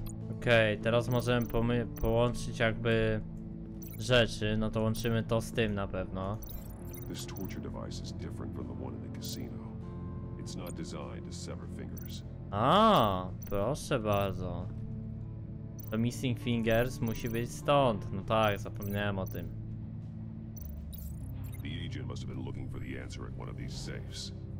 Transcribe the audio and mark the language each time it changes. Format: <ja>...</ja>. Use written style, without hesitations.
<pl>Okej, okay, teraz możemy połączyć jakby rzeczy, no to łączymy to z tym na pewno.</pl> <en>This torture device is different from the one in the casino. It's not designed to sever fingers.</en> <pl>A, proszę bardzo.</pl> <en>The missing fingers</en> <pl>musi być stąd. No tak, zapomniałem o tym.</pl> <en>The agent must have been looking for the answer at one of these safes.</en>